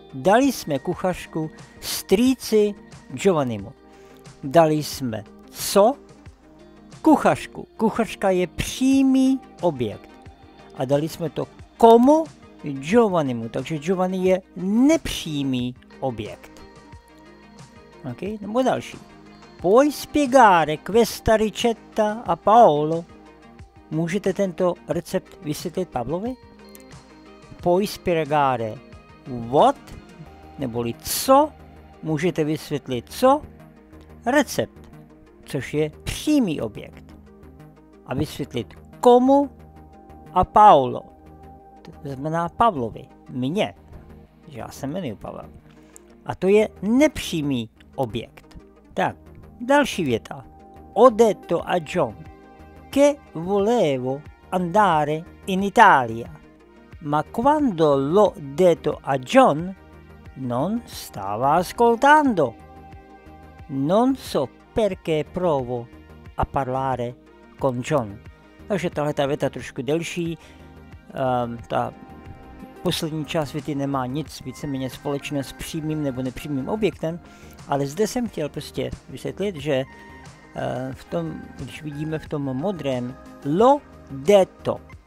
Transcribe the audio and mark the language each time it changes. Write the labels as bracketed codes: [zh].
[cs] Dali jsme kuchařku strýci Giovannimu. Dali jsme co? Kuchařku. Kuchařka je přímý objekt. A dali jsme to komu? Giovannimu. Takže Giovanni je nepřímý objekt. OK, nebo další. [it] Puoi spiegare questa ricetta a Paolo? [cs] Můžete tento recept vysvětlit Pavlovi? [it] Puoi spiegare [cs] what? Neboli co, můžete vysvětlit co? Recept, což je přímý objekt. A vysvětlit komu [it] a Paolo. [cs] To znamená Pavlovi, mně, že já se jmenuji Pavel. A to je nepřímý objekt. Tak, další věta. [it] Ho detto a John, che volevo andare in Italia. Ma quando l'ho detto a John, non stava ascoltando. Non so perché provo a parlare con John. [cs] Takže tahle ta věta trošku delší. Ta poslední část věty nemá nic víceméně společné s přímým nebo nepřímým objektem. Ale zde jsem chtěl prostě vysvětlit, že v tom, když vidíme v tom modrém, [it] lo detto.